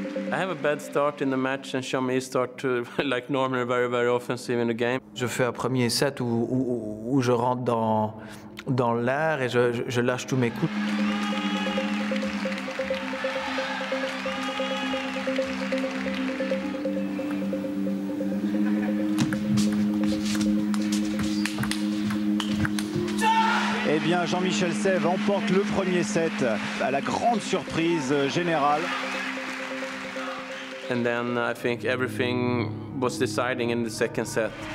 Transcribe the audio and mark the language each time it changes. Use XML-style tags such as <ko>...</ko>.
<en>I have a bad start in the match and Jean-Mi start to, like normally very very offensive in the game.</en> <fr>Je fais un premier set où je rentre dans l'air et je lâche tous mes coups. Eh bien Jean-Michel Sève emporte le premier set à la grande surprise générale.</fr> <en>And then I think everything was deciding in the second set.</en>